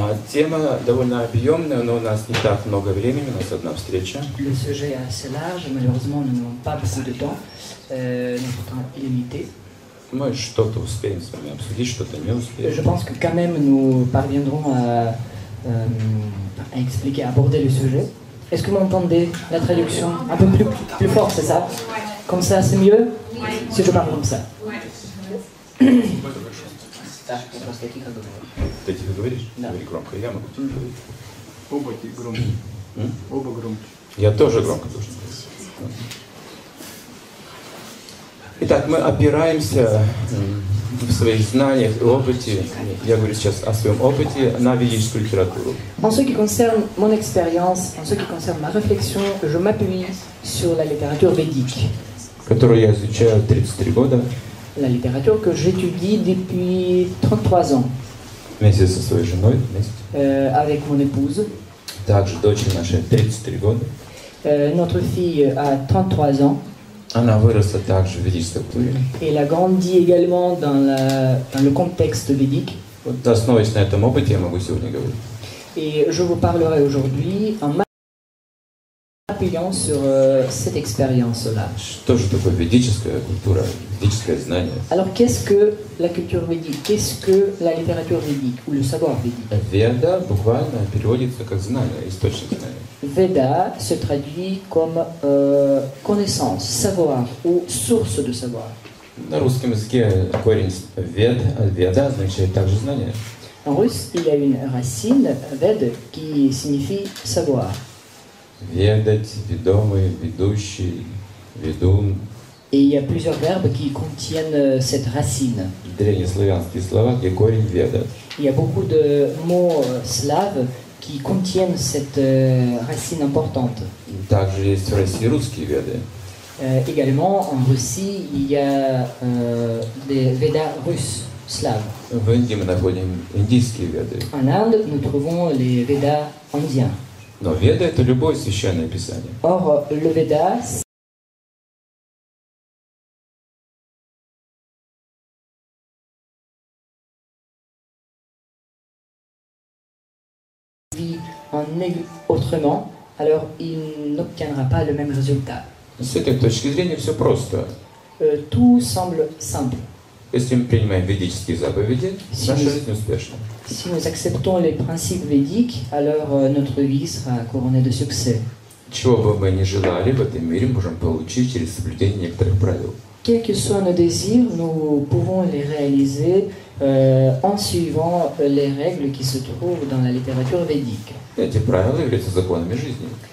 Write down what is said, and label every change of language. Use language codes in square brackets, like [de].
[ru] Тема довольно объемная, но у нас не так много времени, у нас одна встреча. [fr] Le sujet est assez large, malheureusement, nous n'avons pas beaucoup de temps, notre temps est limité. Мы что-то успеем с вами обсудить, что-то не успеем. Je pense que quand même nous parviendrons à expliquer, à aborder le sujet. Est-ce que vous entendez la traduction un peu plus fort, c'est ça? Comme ça, c'est mieux? Si je parle comme ça. [ru] Ты тихо говоришь? Да. Говори громко, я могу тихо говорить. Оба тихо громко. Оба громко. Я тоже громко должен сказать. Итак, мы опираемся в своих знаниях и опыте, я говорю сейчас о своем опыте, на ведическую литературу. [fr] En ce qui concerne mon expérience, en ce qui concerne ma réflexion, je m'appuie sur la littérature védique. [ru] Которую я изучаю 33 года. [fr] La littérature que j'étudie depuis 33 ans. [ru] Вместе со своей женой, вместе. [fr] Avec mon épouse. [ru] Также дочери нашей 33 года. [fr] Notre fille a 33 ans. [ru] Она выросла также в ведической культуре. [fr] Et elle a grandi également dans le contexte védique. [ru] Вот, основываясь на этом опыте, я могу сегодня говорить. [fr] Et je vous parlerai aujourd'hui en appuyant sur cette expérience-là. [ru] Что же такое ведическая культура, ведическое знание? [fr] Alors, qu'est-ce que la culture védique? Qu'est-ce que la littérature védique ou le savoir védique? [ru] Веда буквально переводится как знание, источник знания. [fr] Веда se traduit comme connaissance, savoir ou source de savoir. [ru] На русском языке корень веда означает также знание. [fr] En russe, il y a une racine веда qui signifie savoir. [ru] Ведать, ведомый, ведущий, ведун. [fr] Et il y a plusieurs verbes qui contiennent cette racine. [ru] Древнеславянские слова, где корень ведать. [fr] Il y a beaucoup de mots slaves qui contiennent cette racine importante. [ru] Также есть в России русские веды. [fr] Également en Russie, il y a des védas russes, slaves. [ru] В Индии мы находим индийские веды. [fr] En Inde, nous trouvons les védas indiens. [ru] Но Веда — это любое священное писание. [fr] Or, le Veda, vit en autrement, alors il n'obtiendra pas le même résultat. [ru] С этой точки зрения все просто. [fr] Tout semble simple. [ru] Если мы принимаем ведические заповеди, наша жизнь успешна. [fr] Si nous acceptons les principes védiques, alors notre vie sera couronnée de succès. [ru] Чего бы мы ни желали в этом мире, можем получить через соблюдение некоторых правил. [fr] Quels que soient nos désirs, nous pouvons les réaliser en suivant les règles qui se trouvent dans la littérature védique. [ru] Эти правила являются законами жизни.